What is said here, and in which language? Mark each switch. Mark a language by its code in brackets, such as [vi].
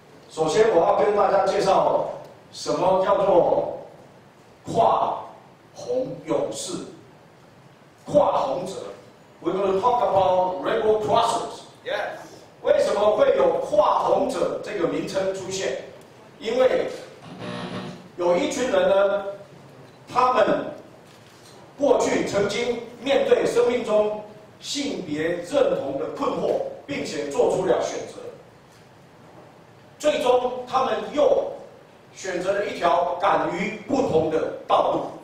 [zh] 首先我要跟大家介绍什么叫做跨红勇士，跨红者。 [en] We're going to talk about rainbow crossers. Yes. [zh] 为什么会有跨红者这个名称出现？因为有一群人呢，他们过去曾经面对生命中性别认同的困惑，并且做出了选择，最终他们又选择了一条敢于不同的道路，